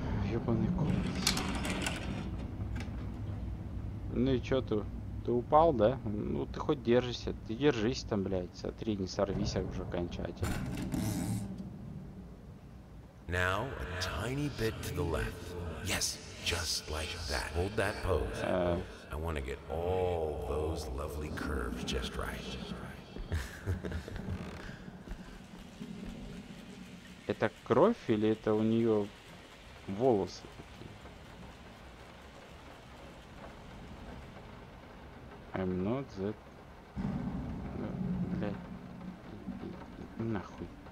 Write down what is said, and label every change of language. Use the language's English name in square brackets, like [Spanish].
[Russian] Ёбаный комплекс. Ну и чё тут? Ты упал, да? Ну ты хоть держишься, ты держись там, блядь, смотри, не сорвись уже окончательно. [English] Now a tiny bit to the left. Yes, just like that. Hold that pose. I want to get all those lovely curves just right. [Russian] Это кровь или это у нее волосы такие? [English] I'm not that. [Russian] Блядь. Нахуй.